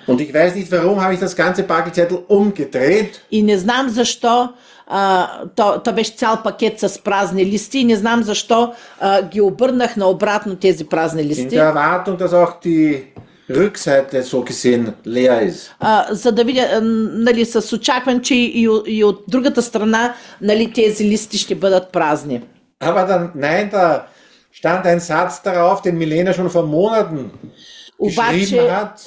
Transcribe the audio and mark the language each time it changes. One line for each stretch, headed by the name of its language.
German: Und ich weiß nicht, warum habe ich das ganze Пакли цетл umgedreht.
Bulgarian: И не знам защо, то беше цял пакет с празни листи, и не знам защо ги обърнах наобратно тези празни листи.
German: In der Erwartung, dass auch die Rückseite so gesehen leer ist.
Bulgarian: За да видя, нали, с очакване, че и от другата страна, нали, тези листи ще бъдат празни.
German: Aber dann, nein, da stand ein Satz darauf, den Milena schon vor Monaten geschrieben hat.